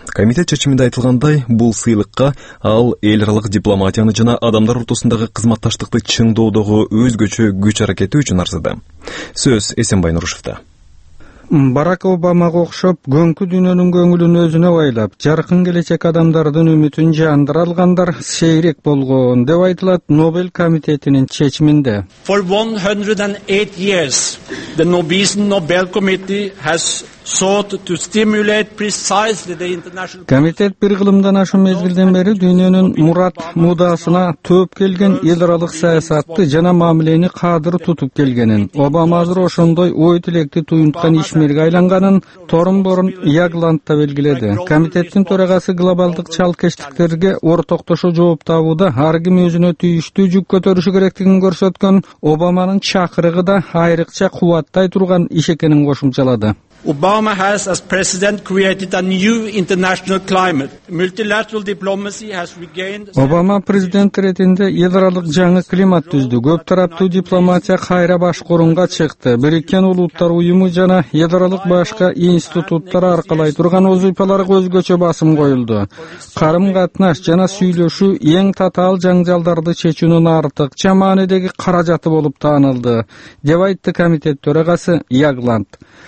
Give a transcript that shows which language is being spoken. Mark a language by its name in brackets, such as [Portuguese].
[Kyrgyz] Комитет чечиминде айтылгандай, бул сыйлыкка ал эл аралык дипломатияны жана адамдар ортосундагы кызматташтыкты чыңдоодогу өзгөчө күч аракети үчүн арзады. Сөз Эсенбай Нурушевда. Барак Обамага окшоп, көңкү дүйнөнүн көңүлүн өзүнө байлап, жаркын келечек адамдардын үмүтүн жандыра алгандар сейрек болгон деп айтылат Нобель комитетинин чечиминде. [English] For 108 years, the Nobel Committee has sought to stimulate precisely the international. [Kyrgyz] Комитет бир кылымдан ашуун мезгилден бери дүйнөнүн мурат мудасына төп келген эл аралык саясатты жана мамилени кадыр тутуп келгенин, Обама азыр ошондой ой тилекти туюнткан ишмерге айланганын Торнборн Ягландта белгиледи. Комитеттин төрагасы глобалдык чалкештиктерге ортоктошо жооп табууда ар ким өзүнө тийиштүү жүк көтөрүшү керектигин көрсөткөн Обаманын чакырыгы да айрыкча кубаттай турган иш экенин кошумчалады. [English] Obama has, as president, created a new international climate. Multilateral diplomacy has regained. [Kyrgyz] Obama президент ретинде эл аралык жаңы климат түздү. Көп тараптуу дипломатия кайра башкарууга чыкты. Бириккен улуттар уюму жана эл аралык башка институттар аркылай турган узупаларга өзгөчө басым коюлду. Карым-катнаш жана сүйлөшүү эң татаал жаңжалдарды чечүүнүн артыкча маанидеги каражаты болуп таанылды, деп айтты комитет төрагасы Ягланд.